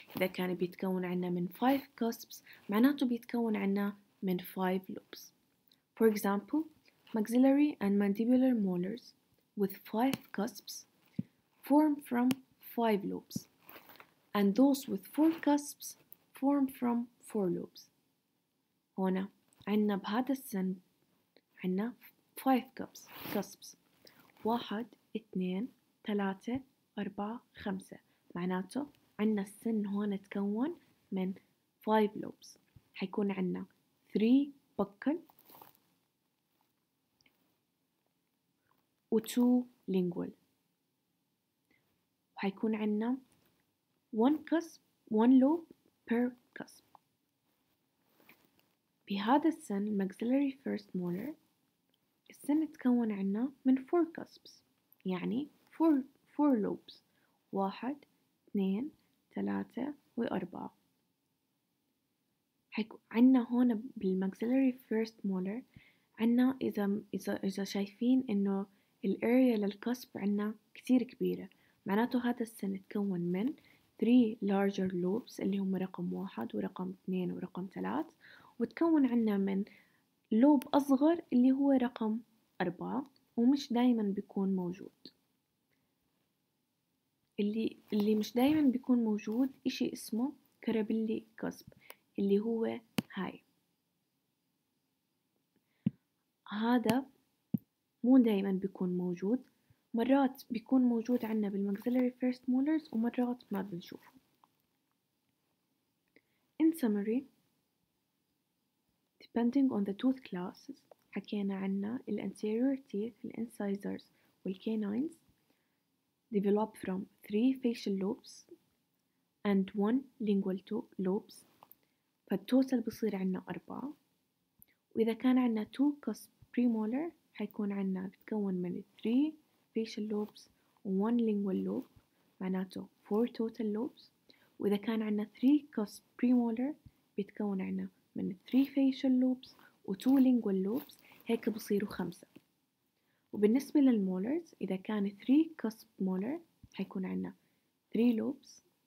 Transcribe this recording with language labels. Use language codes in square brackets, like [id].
[ar] إذا كان بيتكون عنا من five cusps معناته بيتكون عنا من five lobes. [en] For example, maxillary and mandibular molars with five cusps form from five lobes, and those with four cusps form from four lobes. [ar] هنا عنا بهذا السن عنا five cusps. واحد اثنين ثلاثة أربعة خمسة. معناته عنا السن هون تكون من five lobes. حيكون عنا three buccal و two lingual. وحيكون عنا [en] one cusp one lobe per cusp. [ar] بهذا السن maxillary first molar السن تكون عنا من four cusps يعني four lobes. واحد اثنين ثلاثة وأربعة. حيكون عنا هون بالmaxillary first molar عنا إذا شايفين إنه الأريا للكسب عنا كتير كبيرة معناته هذا السن تكون من 3 larger lobes اللي هم رقم 1 ورقم 2 ورقم 3 وتكون عنا من لوب أصغر اللي هو رقم 4 ومش دايما بيكون موجود اللي مش دايما بيكون موجود إشي اسمه كرابيلي كسب اللي هو هاي هذا مو دائما بيكون موجود مرات بيكون موجود عندنا بالmaxillary first molars ومرات ما بنشوفه. [en] In summary, depending on the tooth classes, [ar] حكينا عندنا [en] ال anterior teeth, the incisors والcanines develop from three facial lobes and one lingual lobes. [ar] فالtotal بصير عندنا أربعة. وإذا كان عندنا two cusp premolar حيكون عنا بتكون من 3 facial lobes و 1 lingual lobe معناته 4 total lobes وإذا كان عنا 3 cusp premolar بتكون عنا من 3 facial lobes و 2 lingual lobes هيك بصيروا 5 وبالنسبة للmolars إذا كان 3 cusp molar حيكون عنا 3 lobes